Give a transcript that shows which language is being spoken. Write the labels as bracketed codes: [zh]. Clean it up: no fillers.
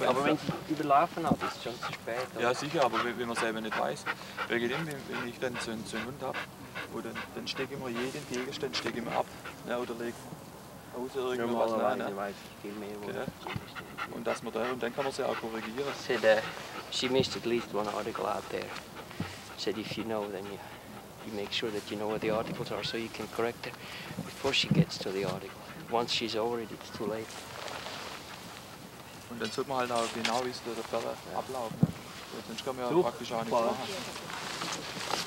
[de] Aber wenn sie überlaufen hat, ist es schon zu spät. Oder? Ja, sicher, aber wenn man es eben nicht weiß. Wegen dem, wenn ich dann so einen Hund habe, dann stecke ich mir jeden Gegenstand ab, ne? Oder lege außer irgendwas rein. Ne? [en] Okay. [de] Und dass man da, und dann kann man sie auch korrigieren. [en] Said, she missed at least one article out there. Said, if you know, then you make sure that you know what the articles are, so you can correct it. Before she gets to the article. Once she's over it, it's too late. [de] Und dann sollte man halt auch genau wissen, wie der Fall ablaufen. Ja, sonst kann man ja praktisch auch nichts machen.